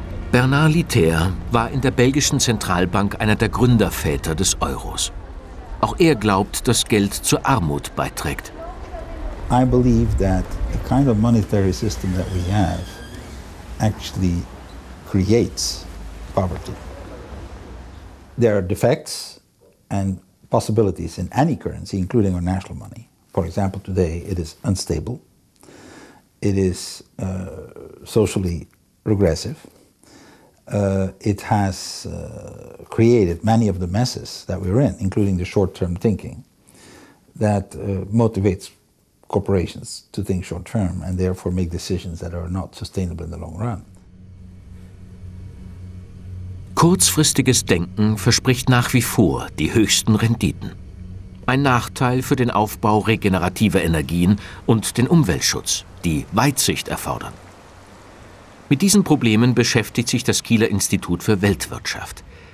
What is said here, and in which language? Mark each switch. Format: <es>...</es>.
<de>Bernard Littère war in der belgischen Zentralbank einer der Gründerväter des Euros. Auch er glaubt, dass Geld zur Armut beiträgt.</de> <en>I believe that the kind of monetary system that we have actually creates poverty. There are defects and possibilities in any currency, including our national money. For example, today it is unstable. It is socially regressive. It has created many of the messes that we're in, including the short-term thinking that motivates corporations to think short-term and therefore make decisions that are not sustainable in the long run.</en> <de>Kurzfristiges Denken verspricht nach wie vor die höchsten Renditen. Ein Nachteil für den Aufbau regenerativer Energien und den Umweltschutz, die Weitsicht erfordern. Mit diesen Problemen beschäftigt sich das Kieler Institut für Weltwirtschaft.</de>